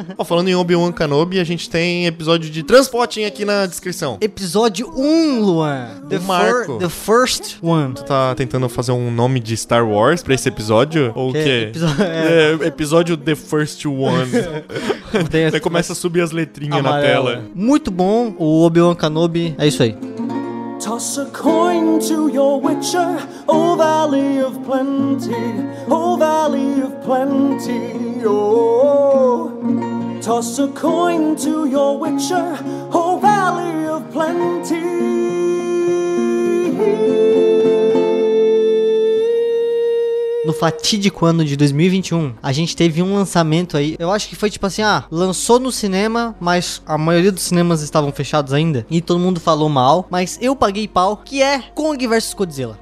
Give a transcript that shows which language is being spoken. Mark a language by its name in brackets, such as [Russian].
[Portuguese] Ó, falando em Obi-Wan Kenobi, a gente tem episódio de Transporting aqui na descrição. Episódio 1, Luan. The First One. Tu tá tentando fazer um nome de Star Wars pra esse episódio? Ou o quê? Episódio The First One. Aí começa a subir as letrinhas na tela. Muito bom o Obi-Wan Kenobi. É isso aí. [English] Toss a coin to your witcher, O Valley of Plenty, O Valley of Plenty, oh. Toss a coin to your witcher, O Valley of Plenty. [Portuguese] No fatídico ano de 2021, a gente teve um lançamento aí. Eu acho que foi tipo assim, lançou no cinema, mas a maioria dos cinemas estavam fechados ainda. E todo mundo falou mal, mas eu paguei pau, que é Kong vs Godzilla.